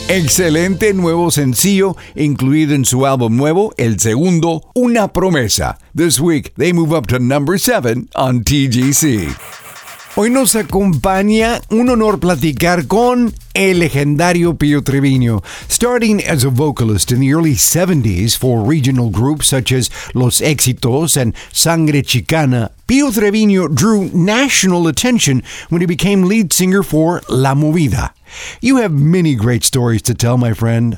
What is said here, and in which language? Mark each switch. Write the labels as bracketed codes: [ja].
[es] Excelente nuevo sencillo incluido en su álbum nuevo, el segundo, Una Promesa. [en] This week they move up to number 7 on TGC. [es] Hoy nos acompaña un honor platicar con el legendario Pío Treviño. [en] Starting as a vocalist in the early 70s for regional groups such as Los Éxitos and Sangre Chicana, Pío Treviño drew national attention when he became lead singer for La Movida. You have many great stories to tell, my friend.